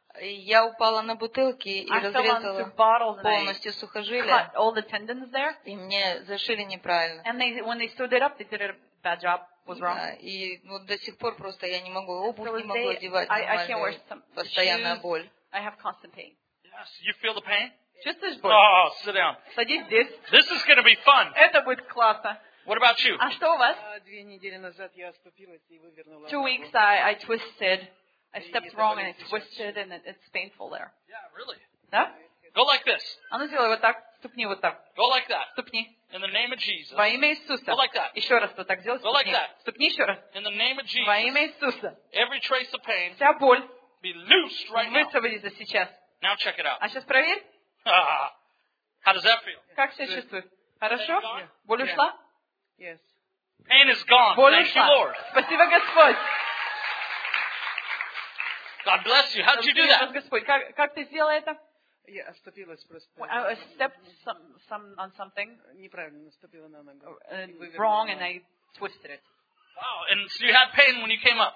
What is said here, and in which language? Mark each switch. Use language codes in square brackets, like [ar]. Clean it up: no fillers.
[ru] Я упала на бутылки и разрезала полностью сухожилие. [en] Cut all the tendons there. [ru] И мне зашили неправильно. [en] And they, when they stood it up, they did a bad job. Was wrong. [ru] Yeah, и ну, до сих пор просто я не могу обувь не могу одевать. [en] I can't wear some [ru] постоянная [en] shoes. [ru] Боль. [en] I have constant pain. Yes. You feel the pain? [ru] Чувствуешь боль? [en] Oh, sit down. [ru] Садись здесь. [en] This is going to be fun. [ru] Это будет классно. [en] What about you? [ru] А что у вас? 2 недели назад я оступилась и вывернула ногу. [en] 2 weeks I twisted. I stepped wrong and I twisted and it's painful there. Yeah, really? [ru] Да? [en] Go like this. [ru] А ну сделай вот так, ступни вот так. [en] Go like that. [ru] Ступни. [en] In the name of Jesus. [ru] Во имя Иисуса. [en] Go like that. [ru] Еще раз вот так сделай. [en] Go like that. [ru] Ступни еще раз. [en] In the name of Jesus. [ru] Во имя Иисуса. [en] Every trace of pain. [ru] Вся боль. [en] Be loosed right now. [ru] Высвободится сейчас. [en] Now check it out. [ru] А сейчас проверь. [en] How does that feel? [ru] Как себя чувствуешь? Хорошо? Боль ушла? [en] Yes. Pain is gone. [ru] Боль [en] Thank [ru] ушла. [en] You, Lord. [ru] Спасибо, Господь. [en] God bless you. How did you do that? [ru] Господь, как ты сделала это? Я оступилась просто. [en] I stepped some on something. [ru] Неправильно наступила на ногу. [en] Wrong and I twisted it. Wow, and so you had pain when you came up.